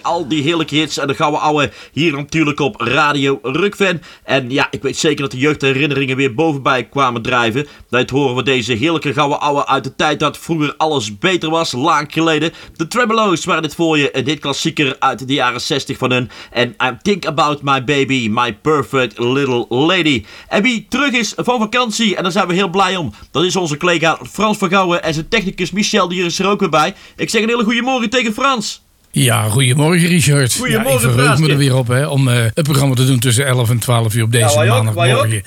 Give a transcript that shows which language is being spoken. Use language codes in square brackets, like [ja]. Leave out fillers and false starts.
[nl] Al die heerlijke hits en de gouden ouwe hier natuurlijk op Radio Rukven. En ja, ik weet zeker dat de jeugdherinneringen weer bovenbij kwamen drijven. Dat horen we deze heerlijke gouden ouwe uit de tijd dat vroeger alles beter was, lang geleden. De Tremolos waren dit voor je. Een hitklassieker uit de jaren 60 van hun. [en] En I think about my baby, my perfect little lady. [nl] En wie terug is van vakantie, en daar zijn we heel blij om, dat is onze collega Frans van Gouwen en zijn technicus Michel, die hier is er ook weer bij. Ik zeg een hele goede morgen tegen Frans. Ja, goedemorgen Richard. Goedemorgen. Ja, ik verheug me er weer op, hè, om het programma te doen tussen 11 en 12 uur op deze maandagmorgen.